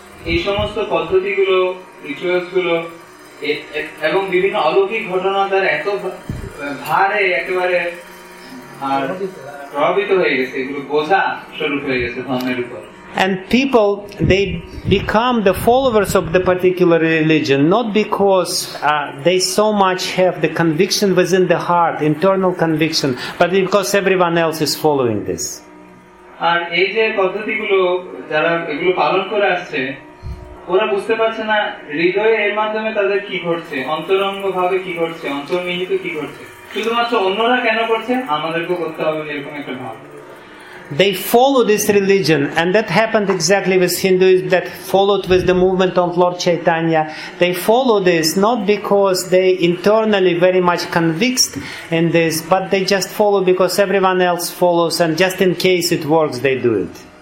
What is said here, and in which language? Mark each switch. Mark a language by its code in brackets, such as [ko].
[bn] এই সমস্ত পদ্ধতিগুলো রিচুয়ালসগুলো এবং বিভিন্ন অলৌকিক ঘটনা দ্বারা এত ভারে একেবারে আর প্রভাবিত হয়ে গেছে, এগুলো বোঝা শুরু হয়ে গেছে ধর্মের উপর. [en] And people, they become the followers of the particular religion not because they so much have the conviction within the heart, internal conviction, but because everyone else is following this. [bn] আর এই যে পদ্ধতিগুলো যারা এগুলো পালন করে আসছে, ওরা বুঝতে পারছে না হৃদয়ে এর মাধ্যমে তাদের কি ঘটছে, অন্তরঙ্গ ভাবে কি ঘটছে, অন্তর্নিহিত কি ঘটছে. শুধুমাত্র অন্যরা কেন করছে, আমাদেরকেও করতে হবে, এরকম একটা ভাব. [en] They follow this religion, and that happened exactly with Hindus that followed with the movement of Lord Chaitanya. They follow this not because they internally very much convinced in this, but they just follow because everyone else follows, and just in case it works, they do it.